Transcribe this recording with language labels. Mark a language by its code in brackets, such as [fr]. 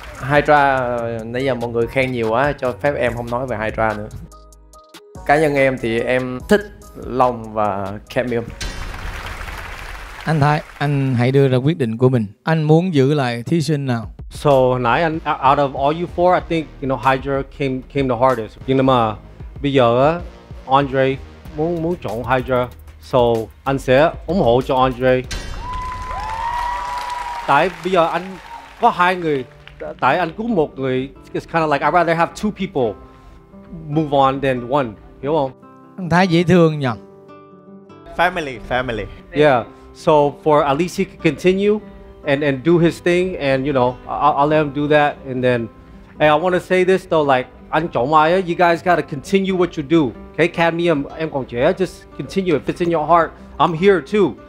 [vi] Hydra nãy giờ mọi người khen nhiều quá, cho phép em không nói về Hydra nữa. Cá nhân em thì em thích Long và Cameo. Anh Thái, anh hãy đưa ra quyết định của mình. Anh muốn giữ lại thí sinh nào? [en] So [vi] nãy anh, [en] out of all you four, I think you know Hydra came the hardest. [vi] Nhưng mà bây giờ Andre muốn chọn Hydra, [en] so [vi] anh sẽ ủng hộ cho Andre. Tại bây giờ anh có hai người, tại anh cứu một người, [en] it's kind of like I'd rather have two people move on than one. [vi] Hiểu không? Anh Thái dễ thương nhỉ? [en] Family. Yeah. So for at least he can continue and do his thing, and you know I'll let him do that. And then hey, I want to say this though, like [vi] anh chọn ai, [en] you guys gotta continue what you do. Okay, Cadmium, [vi] em còn trẻ, [en] just continue. If it's in your heart, I'm here too.